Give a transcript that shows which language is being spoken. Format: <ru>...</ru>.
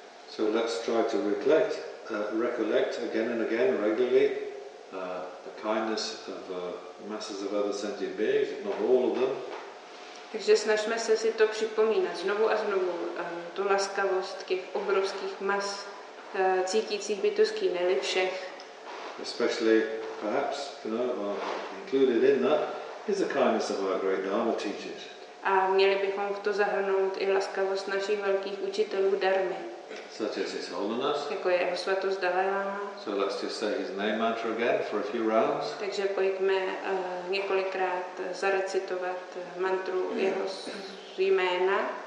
<en>So let's try to recollect again and again, regularly, the kindness of masses of other sentient beings, if not all of them.</en> <cs>Takže snažme se si to připomínat znovu a znovu, tu laskavost těch obrovských mas cítících bytostí, ne-li všech.</cs> <en>Especially, perhaps, you know, included in that is the kindness of our great Dharma teachers.</en> <cs>A měli bychom v to zahrnout i laskavost našich velkých učitelů dharmy.</cs> <en>Such as His Holiness.</en> <cs>Jako jeho svatost Dalai Lama.</cs> <en>So let's just say his name mantra again for a few rounds.</en> <cs>Takže pojďme několikrát zarecitovat mantru jeho jména.</cs>